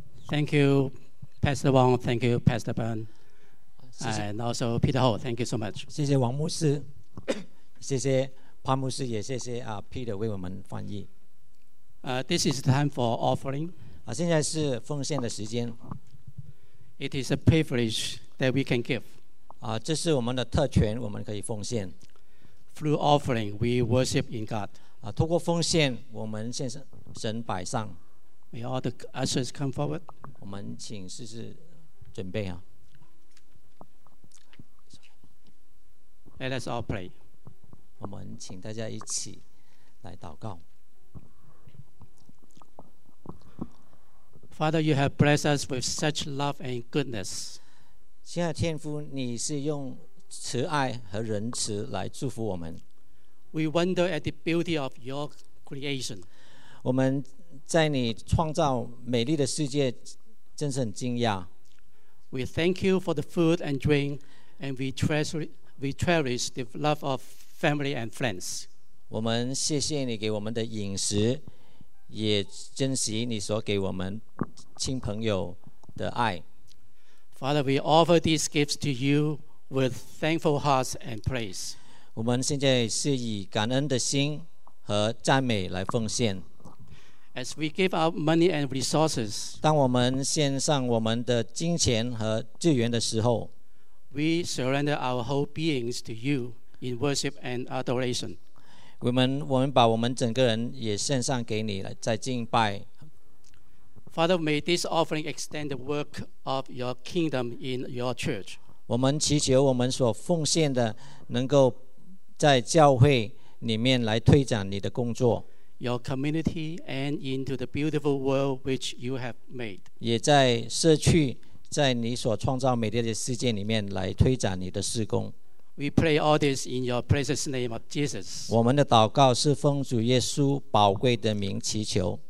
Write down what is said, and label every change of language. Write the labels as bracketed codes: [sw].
[en] Thank you, Pastor Wong. Thank you, Pastor Ben. And also Peter Ho. Thank you so much. [zh] 谢谢王牧师。谢谢。潘牧师也谢谢Peter 为我们翻译。 [en] This is time for offering. [zh] 现在是奉献的时间。 [en] It is a privilege that we can give. [zh] 这是我们的特权，我们可以奉献。 [en] Through offering, we worship in God. [zh] 透过奉献，我们献神摆上。 [en] May all the ushers come forward. [zh] 我们请试试准备啊。 [en] Let us all pray. [zh] 我们请大家一起来祷告。 [en] Father, you have blessed us with such love and goodness. [zh] 亲爱的天父，你是用慈爱和仁慈来祝福我们。 [en] We wonder at the beauty of your creation. [zh] 我们在你创造美丽的世界，真是很惊讶。 [en] We thank you for the food and drink, and we cherish the love of. Family and friends. [zh] 我们谢谢你给我们的饮食，也珍惜你所给我们亲朋友的爱。 [en] Father, we offer these gifts to you with thankful hearts and praise. [zh] 我们现在是以感恩的心和赞美来奉献。 [en] As we give our money and resources, [zh] 当我们献上我们的金钱和资源的时候， [en] we surrender our whole beings to you in worship and adoration. [zh] 我们把我们整个人也献上给你来在敬拜。 [en] Father, may this offering extend the work of your kingdom in your church. [zh] 我们祈求我们所奉献的能够在教会里面来推展你的工作。 [en] Your community and into the beautiful world which you have made. [zh] 也在社区，在你所创造美丽的世界里面来推展你的事工。 [en] We pray all this in your precious name of Jesus. [zh] 我们的祷告是奉主耶稣宝贵的名祈求。